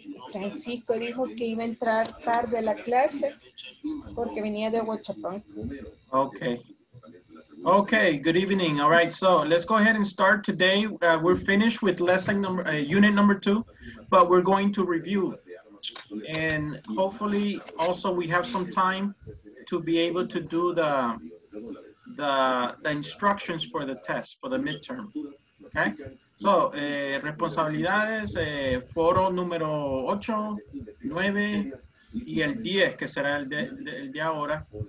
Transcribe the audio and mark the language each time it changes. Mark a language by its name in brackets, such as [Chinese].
[Spanish] Francisco dijo que iba a entrar tarde a la clase porque venía de Huachapán. [English] Okay. Okay, good evening. All right, so let's go ahead and start today. We're finished with lesson number, unit number 2, but we're going to review. And hopefully also we have some time to be able to do the instructions for the test, for the midterm. Okay. [Spanish] So, responsabilidades, foro número 8, 9 y el 10, que será el de ahora.